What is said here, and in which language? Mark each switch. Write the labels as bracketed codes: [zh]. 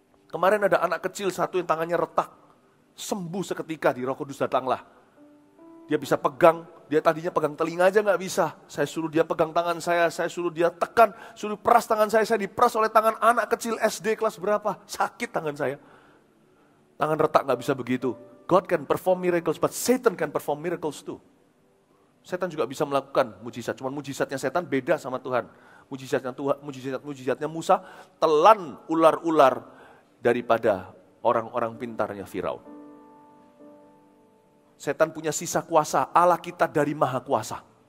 [id] Kemarin ada anak kecil satu yang tangannya retak. Sembuh seketika di Roh Kudus datanglah. Dia bisa pegang, dia tadinya pegang telinga aja gak bisa. Saya suruh dia pegang tangan saya suruh dia tekan, suruh peras tangan saya diperas oleh tangan anak kecil SD kelas berapa. Sakit tangan saya. Tangan retak gak bisa begitu. [en] God can perform miracles, but Satan can perform miracles too. [id] Setan juga bisa melakukan mujizat, cuman mujizatnya setan beda sama Tuhan. Mujizatnya Musa telan ular-ular daripada orang-orang pintarnya Firaun. Setan punya sisa kuasa, Allah kita dari maha kuasa.